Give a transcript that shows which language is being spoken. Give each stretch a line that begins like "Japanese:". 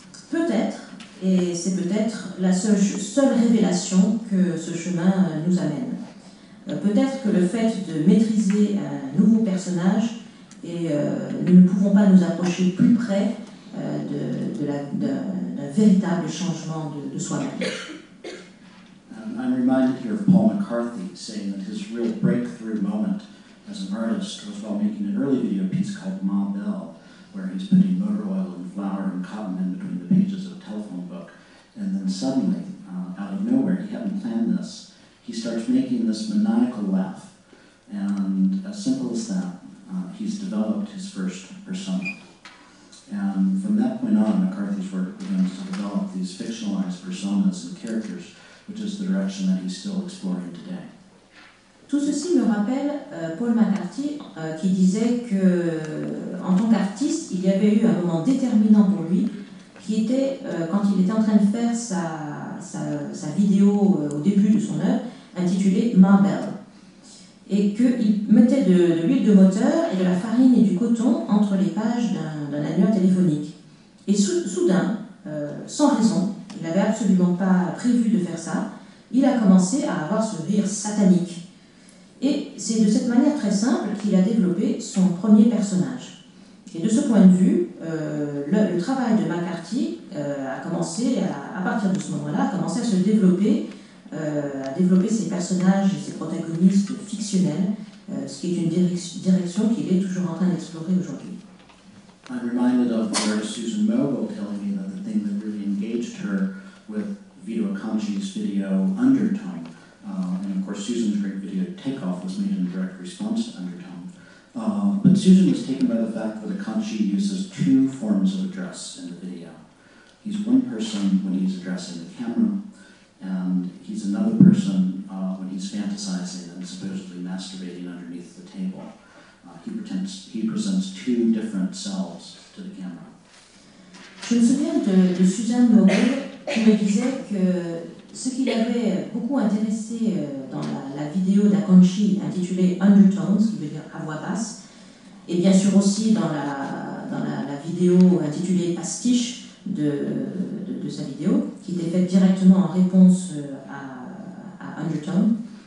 French: Peut-être, et c'est peut-être la seule révélation que ce chemin nous amène. Peut-être que le fait de maîtriser un nouveau personnage et nous ne pouvons pas nous approcher plus près d'un véritable changement de soi-même.
English: I'm reminded here of Paul McCarthy saying that his real breakthrough moment as an artist was while making an early video piece called Ma Bell, where he's putting motor oil and flour and cotton in between the pages of a telephone book. And then suddenly, out of nowhere, he hadn't planned this, he starts making this maniacal laugh. And as simple as that, he's developed his first persona. And from that point on, McCarthy's work begins to develop these fictionalized personas and characters, which is the direction that he's still exploring today.
French: Tout ceci me rappelle Paul McCarthy qui disait qu'en tant qu'artiste, il y avait eu un moment déterminant pour lui qui était quand il était en train de faire sa vidéo au début de son œuvre intitulée Ma Bell. Et qu'il mettait de l'huile de moteur et de la farine et du coton entre les pages d'un annuaire téléphonique. Et soudain, sans raison, il n'avait absolument pas prévu de faire ça, il a commencé à avoir ce rire satanique. Et c'est de cette manière très simple qu'il a développé son premier personnage. Et de ce point de vue, le travail de McCarthy a commencé, à partir de ce moment-là, a commencé à se développer, à développer ses personnages et ses protagonistes fictionnels, ce qui est une direction qu'il est toujours en train d'explorer aujourd'hui.
English: I'm reminded of Susan Mogul telling me that the thing that really engaged her with Vito Acconci's video Undertone, and of course Susan's great video Takeoff was made in direct response to Undertone, but Susan was taken by the fact that Acconci uses two forms of address in the video. He's one person when he's addressing the camera, and he's another person when he's fantasizing and supposedly masturbating underneath the table. He presents two different selves to the camera.
French: Je me souviens de Suzanne Mogul qui me disait que ce qui l'avait beaucoup intéressé dans la vidéo d'Acconci intitulée Undertones, qui veut dire à voix basse, et bien sûr aussi dans la vidéo intitulée Pastiche de sa vidéo, qui était faite directement en réponse à Undertone.